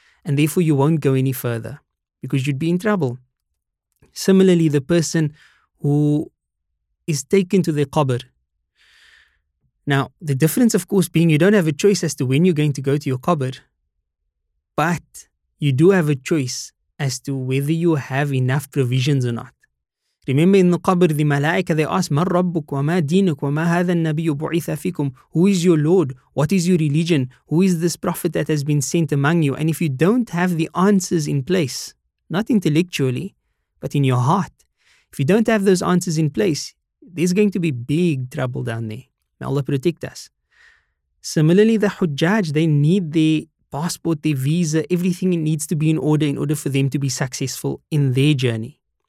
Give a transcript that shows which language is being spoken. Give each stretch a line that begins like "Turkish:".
English: and therefore you won't go any further because you'd be in trouble. Similarly, the person who is taken to the qabr. Now, the difference, of course, being you don't have a choice as to when you're going to go to your qabr, but you do have a choice as to whether you have enough provisions or not. Remember in the qabr, the malaika, they ask,
Arabic: مَنْ رَبُّكْ وَمَا دِينُكْ وَمَا هَذَا النَّبِيُّ بُعِثَ فِيكُمْ.
English: Who is your Lord? What is your religion? Who is this prophet that has been sent among you? And if you don't have the answers in place, not intellectually, but in your heart, if you don't have those answers in place, there's going to be big trouble down there. May Allah protect us. Similarly, the Hujjaj, they need their passport, their visa, everything needs to be in order for them to be successful in their journey.